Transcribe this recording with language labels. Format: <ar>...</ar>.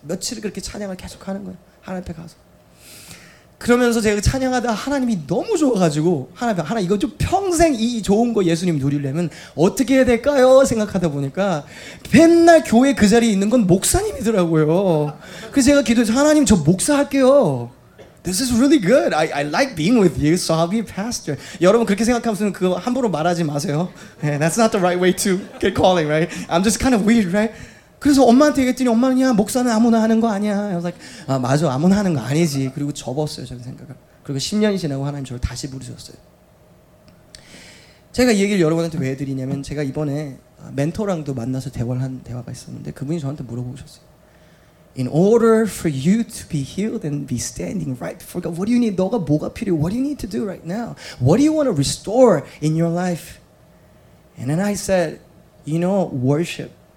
<ko>며칠 그렇게 찬양을 계속 하는 거예요. 하나님께 가서. 그러면서 제가 찬양하다 하나님이 너무 좋아가지고 하나님 이거 좀 평생 이 좋은 거 예수님 누리려면 어떻게 해야 될까요? 생각하다 보니까 맨날 교회 그 자리에 있는 건 목사님이더라고요. 그래서 제가 기도해서 하나님 저 목사 할게요.</ko> <en>This is really good. I like being with you, so I'll be a pastor.</en> <ko>여러분 그렇게 생각하면서는 그거 함부로 말하지 마세요.</ko> <en>Yeah, that's not the right way to get calling, right? I'm just kind of weird, right?</en> <ko>그래서 엄마한테 얘기했더니 엄마는 야 목사는 아무나 하는 거 아니야.</ko> <en>I was like,</en> <ko>아 맞아 아무나 하는 거 아니지. 그리고 접었어요 저는 생각을. 그리고 10년이 지나고 하나님 저를 다시 부르셨어요. 제가 이 얘기를 여러분한테 왜 드리냐면 제가 이번에 멘토랑도 만나서 대화를 한 대화가 있었는데 그분이 저한테 물어보셨어요.</ko> <en>In order for you to be healed and be standing right before God, what do you need?</en> <ko>너가 뭐가 필요해?</ko> <en>What do you need to do right now? What do you want to restore in your life? And then I said, you know, worship.</en>